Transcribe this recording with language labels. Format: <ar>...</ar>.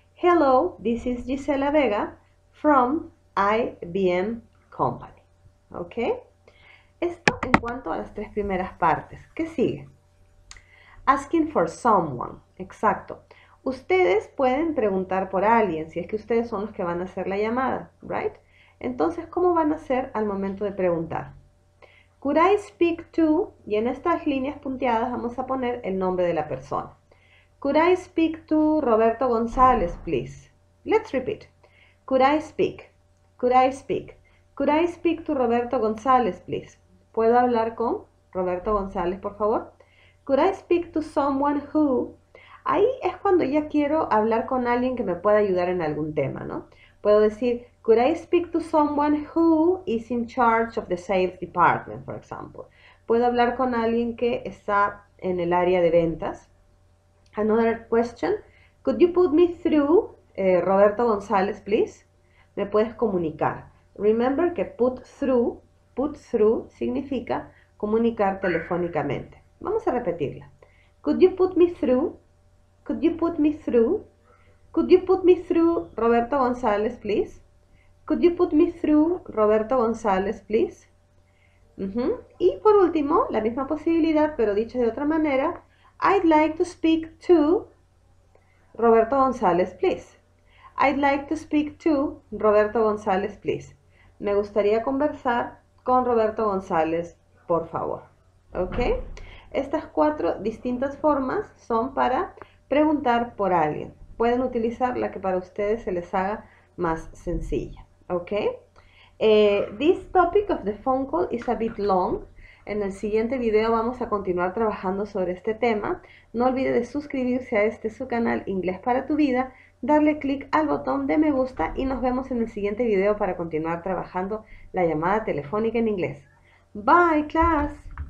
<en>Hello, this is Gisela Vega from IBM company. ¿Ok?</en> <es>Esto en cuanto a las tres primeras partes. ¿Qué sigue?</es> <en>Asking for someone.</en> <es>Exacto. Ustedes pueden preguntar por alguien si es que ustedes son los que van a hacer la llamada, ¿right? Entonces, ¿cómo van a hacer al momento de preguntar?</es> <en>Could I speak to,</en> <es>y en estas líneas punteadas vamos a poner el nombre de la persona.</es> <en>Could I speak to Roberto González, please? Let's repeat. Could I speak? Could I speak? Could I speak to Roberto González, please?</en> <es>¿Puedo hablar con Roberto González, por favor?</es> <en>Could I speak to someone who?</en> <es>Ahí es cuando ya quiero hablar con alguien que me pueda ayudar en algún tema, ¿no? Puedo decir,</es> <en>could I speak to someone who is in charge of the sales department, for example.</en> <es>¿Puedo hablar con alguien que está en el área de ventas?</es> <en>Another question, could you put me through Roberto González, please?</en> <es>¿Me puedes comunicar? Remember que put through significa comunicar telefónicamente. Vamos a repetirla.</es> <en>Could you put me through? Could you put me through? Could you put me through Roberto González, please? Could you put me through Roberto González, please?</en> <es>Y por último, la misma posibilidad, pero dicho de otra manera,</es> <en>I'd like to speak to Roberto González, please. I'd like to speak to Roberto González, please.</en> <es>Me gustaría conversar con Roberto González, por favor. ¿Ok? Estas cuatro distintas formas son para preguntar por alguien. Pueden utilizar la que para ustedes se les haga más sencilla.</es> <en>Ok, this topic of the phone call is a bit long.</en> <es>En el siguiente video vamos a continuar trabajando sobre este tema. No olvide de suscribirse a este su canal Inglés para tu vida, darle clic al botón de me gusta y nos vemos en el siguiente video para continuar trabajando la llamada telefónica en inglés.</es> <en>Bye, class!</en>